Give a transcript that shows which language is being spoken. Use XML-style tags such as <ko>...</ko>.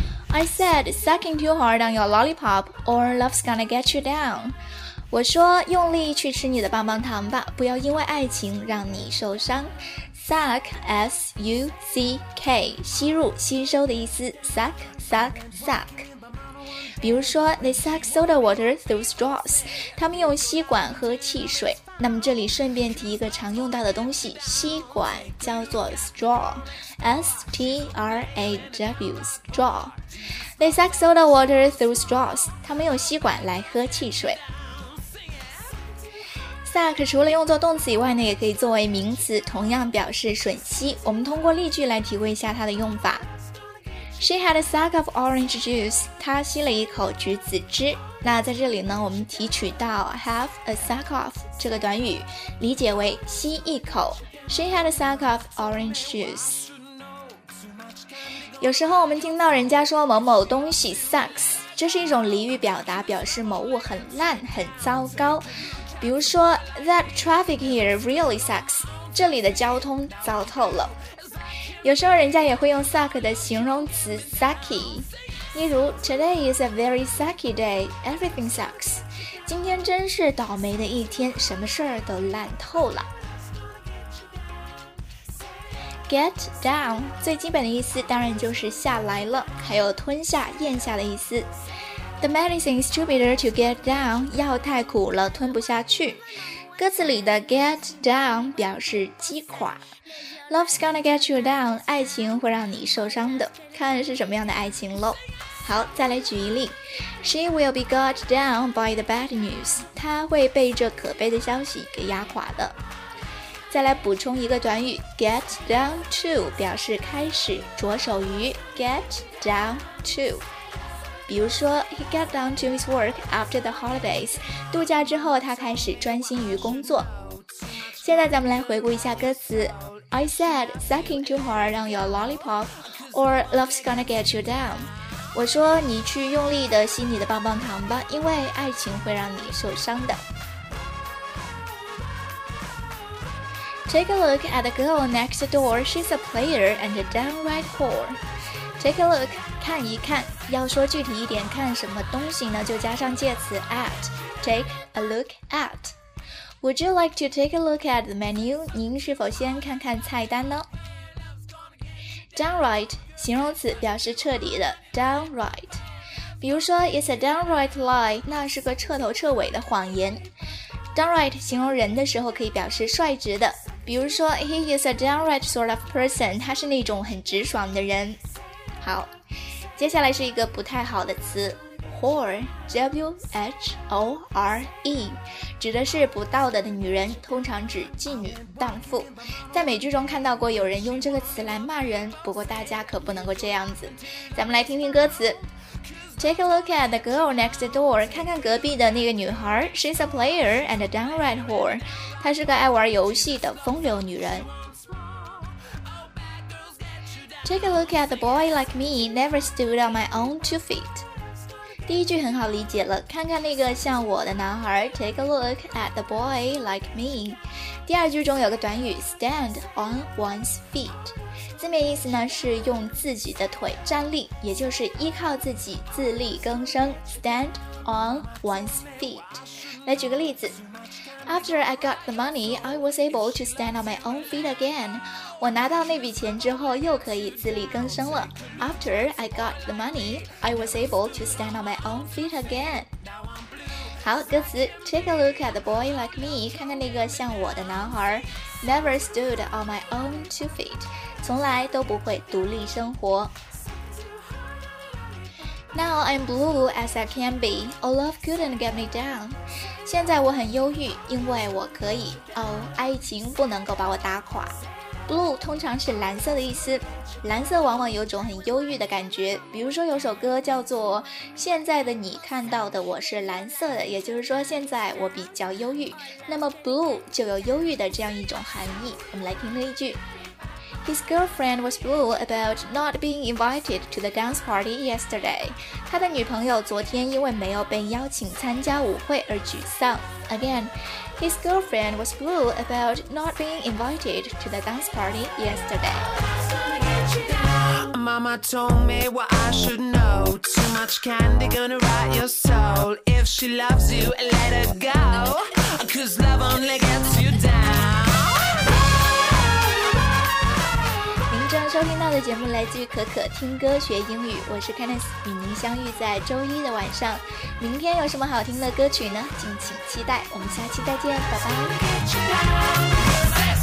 <en>I said sucking too hard on your lollipop or love's gonna get you down.</en> <zh>我说用力去吃你的棒棒糖吧，不要因为爱情让你受伤。 Suck, S-U-C-K, 吸入、吸收的意思。</zh> <en>Suck, suck, suck.</en> <zh>比如说</zh> <en>,they suck soda water through straws.</en> <zh>他们用吸管喝汽水。那么这里顺便提一个常用到的东西，吸管叫做 straw, S-T-R-A-W, straw.</zh> <en>They suck soda water through straws.</en> <zh>他们用吸管来喝汽水。 suck 除了用作动词以外呢，也可以作为名词，同样表示吮吸。我们通过例句来体会一下它的用法。</zh> <en>She had a sack of orange juice.</en> <zh>她吸了一口橘子汁。那在这里呢，我们提取到 have a sack of 这个短语，理解为吸一口。</zh> <en>She had a sack of orange juice.</en> <zh>有时候我们听到人家说某某东西 sucks， 这是一种俚语表达，表示某物很烂、很糟糕。比如说</zh> <en>，That traffic here really sucks.</en> <zh>这里的交通糟透了。有时候人家也会用 suck 的形容词 sucky， 例如</zh> <en>Today is a very sucky day, everything sucks.</en> <zh>今天真是倒霉的一天，什么事都烂透了。 Get down 最基本的意思当然就是下来了，还有吞下、咽下的意思。</zh> <en>The medicine is too bitter to get down，</en> <zh>药太苦了，吞不下去。歌词里的 get down 表示击垮。</zh> <en>Love's gonna get you down，</en> <zh>爱情会让你受伤的，看是什么样的爱情咯。好，再来举一例。</zh> <en>She will be got down by the bad news，</en> <zh>她会被这可悲的消息给压垮的。再来补充一个短语， get down to 表示开始、着手于。</zh> <en>get down to，</en> <zh>比如说</zh> <en>He got down to his work after the holidays，</en> <zh>度假之后他开始专心于工作。现在咱们来回顾一下歌词。</zh> <en>I said sucking too hard on your lollipop, or love's gonna get you down.</en> <zh>我说你去用力的吸你的棒棒糖吧，因为爱情会让你受伤的。</zh> <en>Take a look at the girl next door. She's a player and a downright whore. Take a look,</en> <zh>看一看。要说具体一点，看什么东西呢？就加上介词 at.</zh> <en>Take a look at. Would you like to take a look at the menu?</en> <zh>您是否先看看菜单呢？ Downright 形容词，表示彻底的。Downright， 比如说</zh> <en>It's a downright lie，</en> <zh>那是个彻头彻尾的谎言。 Downright 形容人的时候可以表示率直的，比如说</zh> <en>He is a downright sort of person，</en> <zh>他是那种很直爽的人。好，接下来是一个不太好的词Whore, W-H-O-R-E， 指的是不道德的女人，通常指妓女、荡妇。在美剧中看到过有人用这个词来骂人，不过大家可不能够这样子。咱们来听听歌词。</zh> <en>Take a look at the girl next door，</en> <zh>看看隔壁的那个女孩。</zh> <en>She's a player and a downright whore，</en> <zh>她是个爱玩游戏的风流女人。</zh> <en>Take a look at the boy like me， never stood on my own two feet。</en> <zh>第一句很好理解了，看看那个像我的男孩。</zh> <en>Take a look at the boy like me。</en> <zh>第二句中有个短语</zh> <en>stand on one's feet，</en> <zh>字面意思呢是用自己的腿站立，也就是依靠自己自力更生。</zh> <en>Stand on one's feet。</en> <zh>来举个例子。</zh> <en>After I got the money, I was able to stand on my own feet again。</en> <zh>我拿到那笔钱之后又可以自力更生了。</zh> <en>After I got the money, I was able to stand on my own feet again。</en> <zh>好，歌词。</zh> <en>Take a look at the boy like me，</en> <zh>看看那个像我的男孩。</zh> <en>Never stood on my own two feet，</en> <zh>从来都不会独立生活。</zh> <en>Now I'm blue as I can be. Oh, love couldn't get me down.</en> <zh>现在我很忧郁，因为我可以。Oh, 爱情不能够把我打垮。 Blue 通常是蓝色的意思，蓝色往往有种很忧郁的感觉。比如说有首歌叫做《现在的你看到的我是蓝色的》，也就是说现在我比较忧郁。那么 blue 就有忧郁的这样一种含义。我们来听那一句。</zh> <en>His girlfriend was blue about not being invited to the dance party yesterday.</en> <zh>他的女朋友昨天因为没有被邀请参加舞会而沮丧。</zh> <en>Again, his girlfriend was blue about not being invited to the dance party yesterday. Mama told me what I should know. Too much candy gonna rot your soul. If she loves you, let her go. Cause love only gets you down.</en> <zh>收听到的节目来自于可可听歌学英语，我是 Kenneth， 与您相遇在周一的晚上。明天有什么好听的歌曲呢？敬请期待，我们下期再见，拜拜。</zh>